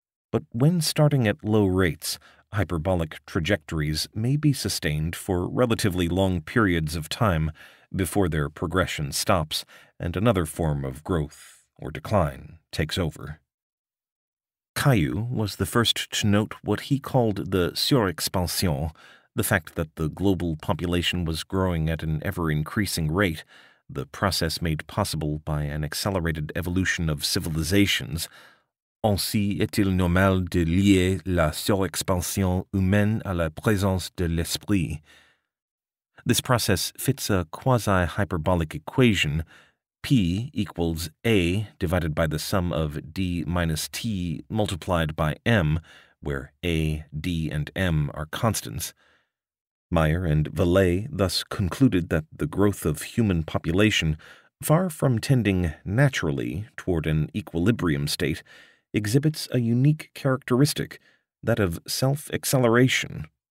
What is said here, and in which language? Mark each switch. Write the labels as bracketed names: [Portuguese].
[English] But when starting at low rates, hyperbolic trajectories may be sustained for relatively long periods of time before their progression stops and another form of growth or decline takes over. Caillou was the first to note what he called the surexpansion, the fact that the global population was growing at an ever-increasing rate, the process made possible by an accelerated evolution of civilizations. [French] Ainsi est-il normal de lier la surexpansion humaine à la présence de l'esprit? [English] This process fits a quasi-hyperbolic equation. P equals A divided by the sum of D minus T multiplied by M, where A, D, and M are constants. Meyer and Vallée thus concluded that the growth of human population, far from tending naturally toward an equilibrium state, exhibits a unique characteristic, that of self-acceleration.